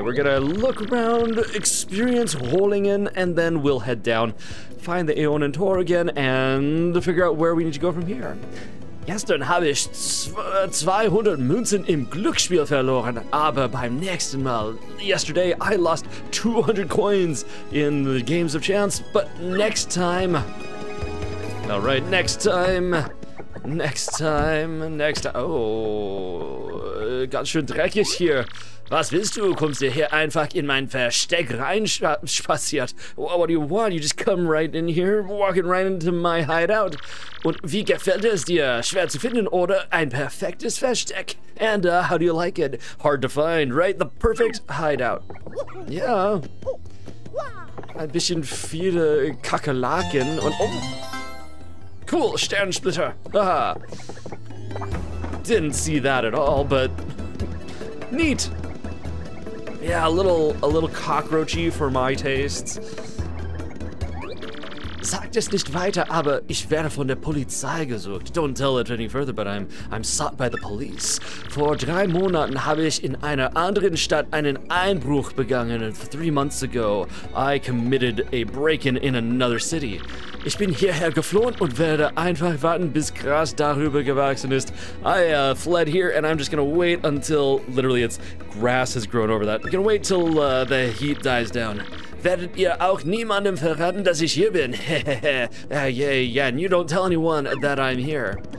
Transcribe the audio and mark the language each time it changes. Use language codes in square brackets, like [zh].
[en] We're gonna look around, experience Rohlingen, and then we'll head down, find the Äonentor again, and figure out where we need to go from here. [de] Gestern habe ich 200 Münzen im Glücksspiel verloren, aber beim nächsten Mal. [en] Yesterday I lost 200 coins in the games of chance, but next time. Alright, next time. [de] Oh, ganz schön dreckig hier. Was willst du? Kommst du hier einfach in mein Versteck rein spaziert? [en] What do you want? You just come right in here, walking right into my hideout. [de] Und wie gefällt es dir? Schwer zu finden, oder? Ein perfektes Versteck. [en] And, how do you like it? Hard to find, right? The perfect hideout. Yeah. [de] Ein bisschen viele Kakerlaken und... Oh. Cool, Sternsplitter. Aha. [en] Didn't see that at all, but... Neat. Yeah, a little cockroachy for my tastes. [de] Sag das nicht weiter, aber ich werde von der Polizei gesucht. [en] Don't tell it any further, but I'm sought by the police. [de] Vor 3 Monaten habe ich in einer anderen Stadt einen Einbruch begangen. [en] 3 months ago, I committed a break-in in another city. [de] Ich bin hierher geflohen und werde einfach warten, bis Gras darüber gewachsen ist. [en] I fled here and I'm just gonna wait until, literally it's grass has grown over that. I'm gonna wait till the heat dies down. [de] Werdet ihr auch niemandem verraten, dass ich hier bin? Hehehe. [en] yeah, and you don't tell anyone that I'm here.